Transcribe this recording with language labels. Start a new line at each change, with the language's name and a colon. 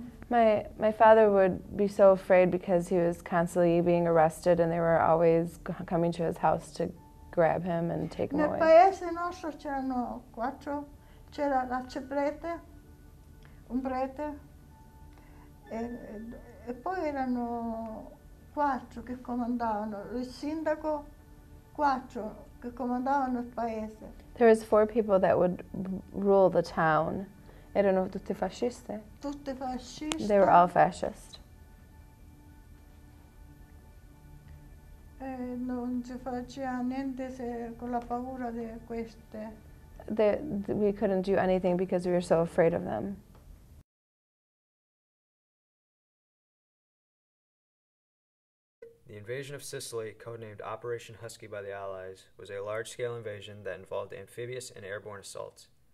English: My father would be so afraid because he was constantly being arrested and they were always coming to his house to grab him and take him away.
Italian: Nel paese nostro c'erano quattro, c'era l'arciprete, un prete, e poi erano quattro che comandavano, il sindaco, quattro che comandavano il paese.
English: There was four people that would rule the town.
Italian: Erano tutte fasciste. Tutte fasciste.
English: They were all fascist.
Italian: Non si faceva niente se con la paura di queste.
English: We couldn't do anything because we were so afraid of them. The invasion of Sicily, codenamed Operation Husky by the Allies, was a large-scale invasion that involved amphibious and airborne assaults.